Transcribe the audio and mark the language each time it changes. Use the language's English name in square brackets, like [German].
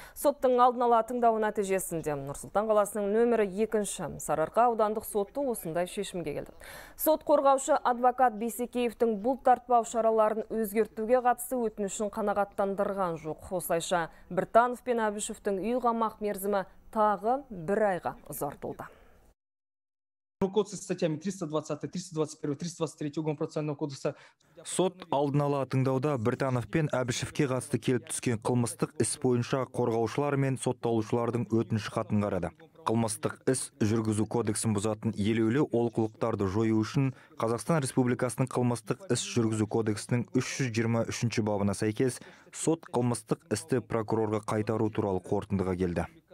[Kazakh] Соттың алдын ала тыңдау нәтижесінде Нұрсұлтан қаласының нөмірі 2-ші Сарыарқа аудандық соты осындай шешімге келді. Сот қорғаушы адвокат Бейсекеевтің бұл тартпау шараларын өзгертуге қатысты өтінішін қанағаттандырған жоқ. Осылайша Біртанов пен Әбішевтің үй қамақ мерзімі тағы бір айға ұзартылды. [Russian] Руководство статьями 320, 321, 323 Уголовного процессуального кодекса. [Kazakh] Сот алдын ала тыңдауда Біртанов пен Әбішевке қатысты келіп түскен қылмыстық іс бойынша қорғаушылар мен сотталушылардың өтініш хатын қарады. Қылмыстық іс жүргізу кодексін бұзатын елеулі олқылықтарды жою үшін Қазақстан Республикасының қылмыстық іс жүргізу кодексінің 323 бабына сәйкес сот қылмыстық істі прокурорға қайтару туралы қорытындыға келді.